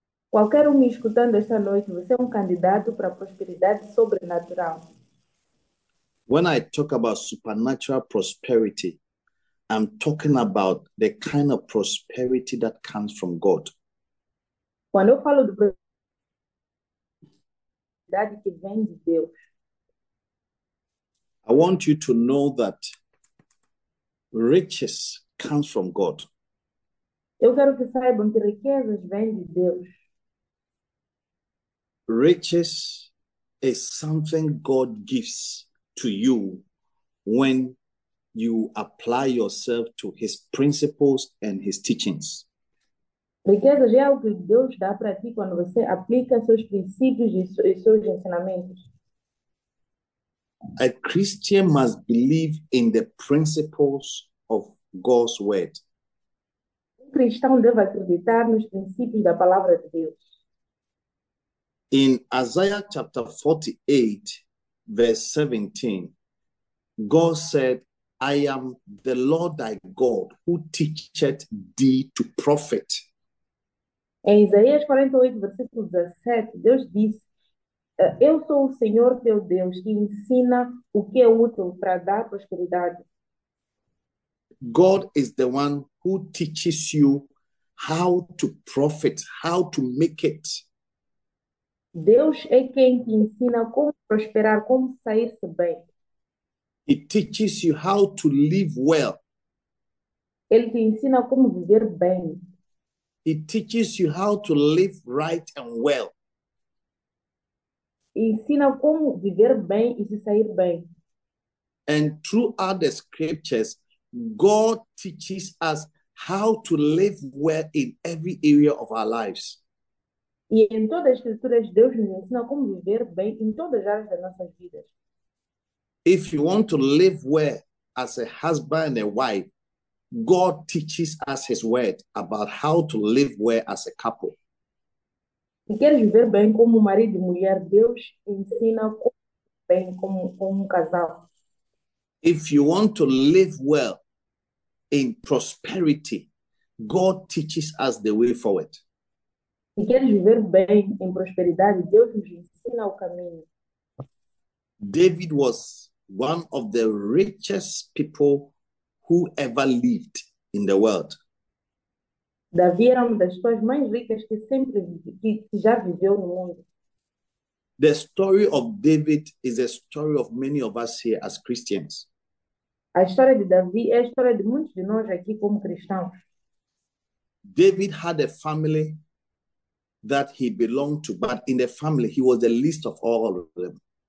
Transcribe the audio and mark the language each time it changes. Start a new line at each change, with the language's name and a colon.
Portuguese: Qualquer me escutando esta noite, você é candidato para prosperidade sobrenatural.
English: When I talk about supernatural prosperity, I'm talking about the kind of prosperity that comes from God.
Portuguese: Quando eu falo de prosperidade que vem de Deus.
English: I want you to know that riches comes from God.
Portuguese: Eu quero que saibam que riquezas vêm de Deus.
English: Riches is something God gives to you when you apply yourself to his principles and his teachings.
Portuguese: Riqueza é algo que Deus dá para ti quando você aplica seus princípios e seus ensinamentos.
English: A Christian must believe in the principles of God's word.
Portuguese: Um cristão deve acreditar nos princípios da palavra de Deus.
English: In Isaiah chapter 48, verse 17, God said, I am the Lord thy God who teacheth thee to profit.
Portuguese: Em Isaías 48, versículo 17, Deus diz: Eu sou o Senhor teu Deus que ensina o que é útil para dar prosperidade.
English: God is the one who teaches you how to profit, how to make it.
Portuguese: Deus é quem te ensina como prosperar, como sair-se bem.
English: He teaches you how to live well.
Portuguese: Ele te ensina como viver bem.
English: He teaches you how to live right and well.
Portuguese: Ensina como viver bem e se sair bem.
English: And throughout the scriptures, God teaches us how to live well in every area of our lives.
Portuguese: E em todas as escrituras, Deus nos ensina como viver bem em todas as áreas das nossas vidas.
English: If you want to live well as a husband and a wife, God teaches us his word about how to live well as a couple.
Portuguese: Se queres viver bem como marido e mulher, Deus ensina bem como casal.
English: If you want to live well in prosperity, God teaches us the way forward.
Portuguese: Se queres viver bem em prosperidade, Deus nos ensina o caminho.
English: David was one of the richest people who ever lived in the world.
Portuguese: Davi era uma das pessoas mais ricas que já viveu no mundo.
English: The story of David is a story of many of us here as Christians.
Portuguese: A história de Davi é a história de muitos de nós aqui como cristãos.
English: David had a family that he belonged to, but in the family he was the least of all of them.